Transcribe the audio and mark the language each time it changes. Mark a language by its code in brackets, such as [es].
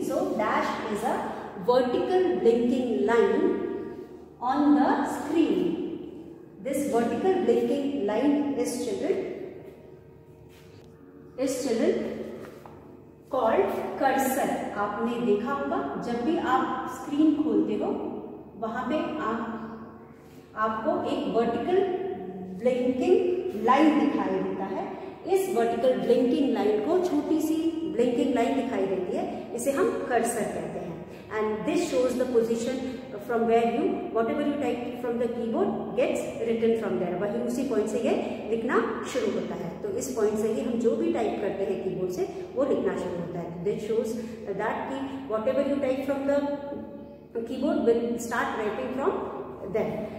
[en] So dash is a vertical blinking line on the screen. This vertical blinking line is children called cursor. [hi] आपने देखा होगा जब भी आप स्क्रीन खोलते हो वहां पे आपको एक वर्टिकल ब्लिंकिंग लाइन दिखाई देता है। इस वर्टिकल ब्लिंकिंग लाइन को, छोटी सी ब्लिंकिंग लाइन दिखाई देती है, इसे हम कर्सर कहते हैं। [en] and this shows the position from where you, whatever you type from the keyboard gets written from there, [hi] वहीं उसी point से ये लिखना शुरू होता है। तो इस point से ही हम जो भी type करते हैं keyboard से वो लिखना शुरू होता है। [en] This shows that कि whatever you type from the keyboard will start writing from there.